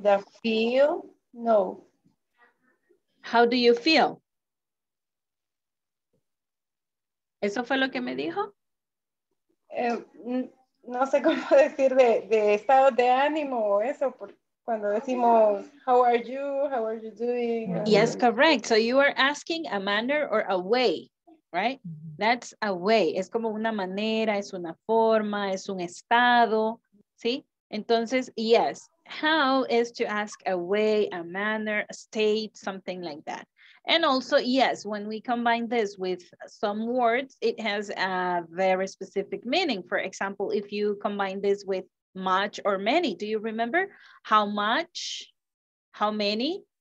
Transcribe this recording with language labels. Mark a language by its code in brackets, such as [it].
[en] The feel? No. How do you feel? [es] ¿Eso fue lo que me dijo? No sé cómo decir de estado de ánimo o eso. Cuando decimos, [en] how are you? How are you doing? Yes, correct. So you are asking a manner or a way, right? That's a way. [es] Es como una manera, es una forma, es un estado, ¿sí? Entonces, [en] yes. How is to ask a way, a manner, a state, something like that. And also, yes, when we combine this with some words, it has a very specific meaning. For example, if you combine this with much or many. Do you remember? How much, how many?